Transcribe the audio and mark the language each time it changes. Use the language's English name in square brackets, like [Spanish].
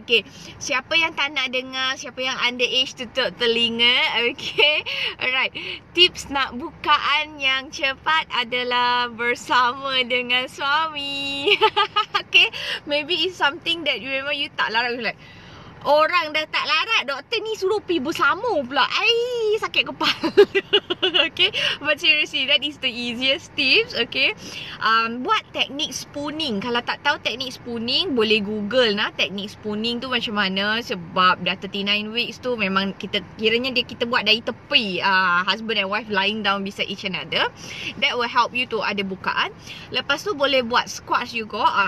[Malay] Okay, siapa yang tak nak dengar, siapa yang underage tutup telinga. Okay, alright. Tips nak bukaan yang cepat adalah bersama dengan suami. Okay, [English] maybe it's something that you remember you [Malay] tak larat. [English] You're like, [Malay] orang dah tak larat, doktor ni suruh pergi bersama pula. [English] Ai, [Malay] sakit kepala. [English] Okay, but seriously, that is the easiest tips. [Malay] Okay, buat teknik spooning. Kalau tak tahu teknik spooning, boleh google lah teknik spooning tu macam mana. Sebab dah 39 weeks tu, memang kita kiranya dia kita buat dari tepi. [English] Husband and wife lying down beside each other. That will help you to [Malay] ada bukaan. Lepas tu boleh buat squats juga.